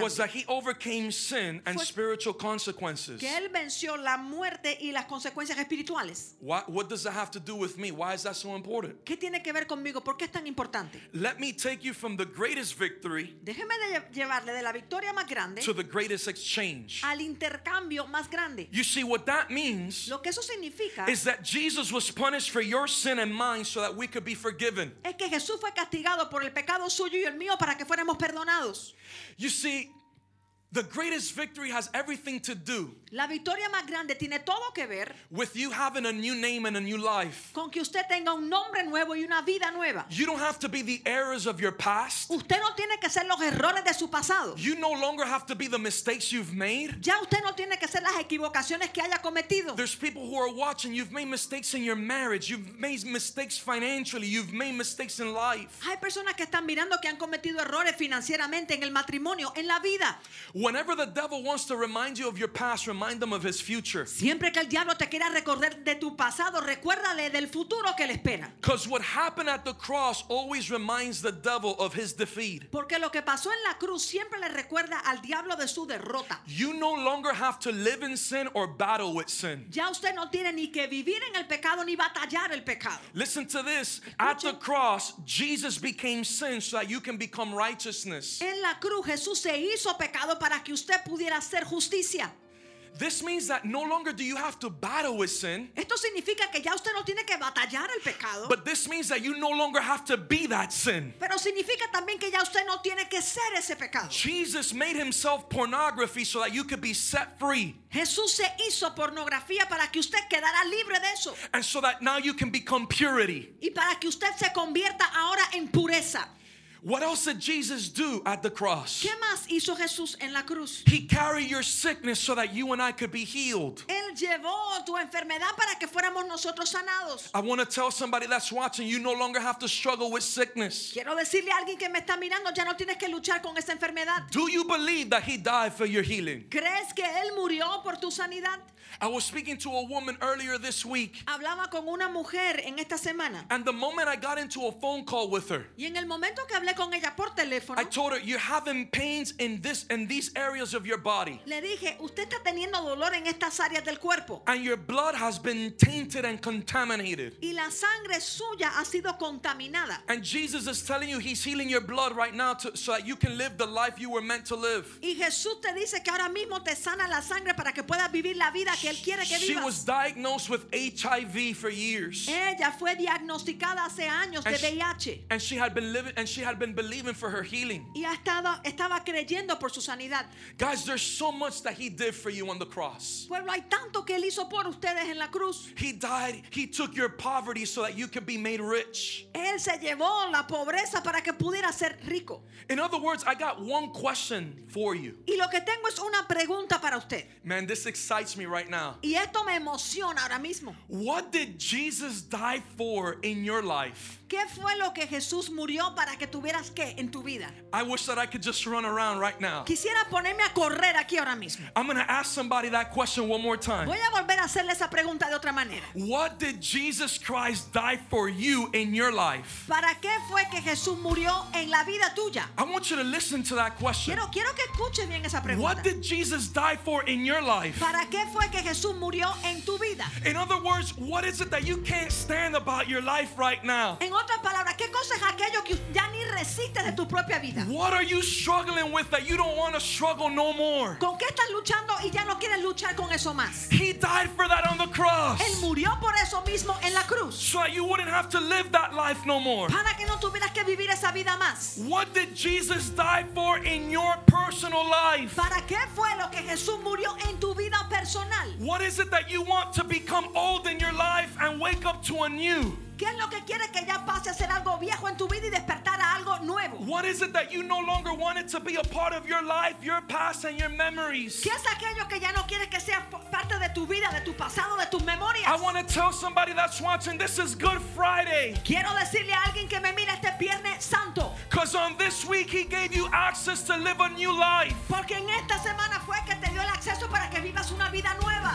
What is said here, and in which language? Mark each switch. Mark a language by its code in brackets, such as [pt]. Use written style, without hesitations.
[en] was that he overcame sin and spiritual consequences. [es] Que él venció la muerte y las consecuencias espirituales. [en] What does that have to do with me? Why is that so important? [es] ¿Qué tiene que ver conmigo? ¿Por qué es tan importante? [en] Let me take you from the greatest victory. [es] Déjeme de llevarle de la victoria más grande, [en] to the greatest exchange. [es] Al intercambio más grande. [en] You see, what that means, [es] lo que eso significa, [en] is that Jesus was punished for your sin and mine so that we could be forgiven. [es] Es que Jesús fue castigado por el pecado suyo y el mío para que fuéramos perdonados. [en] You see, the greatest victory has everything to do, [es] la victoria más grande tiene todo que ver, [en] with you having a new name and a new life. [es] Con que usted tenga un nombre nuevo y una vida nueva. [en] You don't have to be the errors of your past. [es] Usted no tiene que ser los errores de su pasado. [en] You no longer have to be the mistakes you've made. [es] Ya usted no tiene que ser las equivocaciones que haya cometido. [en] There's people who are watching. You've made mistakes in your marriage. You've made mistakes financially. You've made mistakes in life. [es] Hay personas que están mirando que han cometido errores financieramente, en el matrimonio, en la vida. [en] Whenever the devil wants to remind you of your past, remind them of his future. [es] Siempre que el diablo te quiera recordar de tu pasado, recuérdale del futuro que le espera. [en] Because what happened at the cross always reminds the devil of his defeat. [es] Porque lo que pasó en la cruz siempre le recuerda al diablo de su derrota. [en] You no longer have to live in sin or battle with sin. [es] Ya usted no tiene ni que vivir en el pecado ni batallar el pecado. [en] Listen to this. [es] Escuche. [en] At the cross, Jesus became sin so that you can become righteousness. [es] En la cruz Jesús se hizo pecado para que usted pudiera hacer justicia. [en] This means that no longer do you have to battle with sin. [es] Esto significa que ya usted no tiene que batallar el pecado. [en] But this means that you no longer have to be that sin. [es] Pero significa también que ya usted no tiene que ser ese pecado. [en] Jesus made himself pornography so that you could be set free. [es] Jesús se hizo pornografía para que usted quedara libre de eso. [en] And so that now you can become purity. [es] Y para que usted se convierta ahora en pureza. [en] What else did Jesus do at the cross? [es] ¿Qué más hizo Jesús en la cruz? [en] He carried your sickness so that you and I could be healed. [es] Él llevó tu enfermedad para que fuéramos nosotros sanados. [en] I want to tell somebody that's watching, you no longer have to struggle with sickness. [es] Quiero decirle a alguien que me está mirando, ya no tienes que luchar con esa enfermedad. [en] Do you believe that he died for your healing? [es] ¿Crees que él murió por tu sanidad? [en] I was speaking to a woman earlier this week. [es] Hablaba con una mujer en esta semana. [en] And the moment I got into a phone call with her, [es] y en el momento que hablé con ella por teléfono, [en] I told her, "You're having pains in these areas of your body." [es] Le dije, "Usted está teniendo dolor en estas áreas del cuerpo." cuerpo. [en] And your blood has been tainted and contaminated. [es] Y la sangre suya ha sido contaminada. [en] And Jesus is telling you he's healing your blood right now to, so that you can live the life you were meant to live. [es] Y Jesús te dice que ahora mismo te sana la sangre para que puedas vivir la vida que él quiere que vivas. [en] She was diagnosed with HIV for years. [es] Ella fue diagnosticada hace años de VIH. [en] And she had been believing for her healing. [es] Y estaba creyendo por su sanidad. [en] Guys, there's so much that he did for you on the cross. [es] Pueblo, hay tanto que él hizo por ustedes en la cruz. [en] He died, he took your poverty so that you could be made rich. [es] Él se llevó la pobreza para que pudiera ser rico. [en] In other words, I got one question for you. [es] Y lo que tengo es una pregunta para usted. [en] Man, this excites me right now. [es] Y esto me emociona ahora mismo. [en] What did Jesus die for in your life? [es] ¿Qué fue lo que Jesús murió para que tuvieras qué en tu vida? [en] I wish that I could just run around right now. [es] Quisiera ponerme a correr aquí ahora mismo. [en] I'm going to ask somebody that question one more time. [es] Voy a volver a hacerle esa pregunta de otra manera. [en] What did Jesus Christ die for you in your life? [es] ¿Para qué fue que Jesús murió en la vida tuya? [en] I want you to listen to that question. [es] Quiero que escuches bien esa pregunta. [en] What did Jesus die for in your life? [es] ¿Para qué fue que Jesús murió en tu vida? [en] In other words, what is it that you can't stand about your life right now? [es] En otras palabras, ¿qué cosa es aquello que ya ni resistes de tu propia vida? [en] What are you struggling with that you don't want to struggle no more? [es] ¿Con qué estás luchando y ya no quieres luchar con eso más? [en] He died for that on the cross. [es] Él murió por eso mismo en la cruz. [en] So that you wouldn't have to live that life no more. [es] Para que no tuvieras que vivir esa vida más. [en] What did Jesus die for in your personal life? [es] ¿Para qué fue lo que Jesús murió en tu vida personal? [en] What is it that you want to become old in your life and wake up to anew? [es] ¿Qué es lo que quieres que ya pase a ser algo viejo en tu vida y despertar a algo nuevo? [en] What is it that you no longer want it to be a part of your life, your past and your memories? [es] ¿Qué es aquello que ya no quieres que sea parte de tu vida, de tu pasado, de tus memorias? [en] I want to tell somebody that's watching, this is Good Friday. [es] Quiero decirle a alguien que me mira este Viernes Santo. [en] Because on this week he gave you access to live a new life. [es] Porque en esta semana fue que te dio el acceso para que vivas una vida nueva.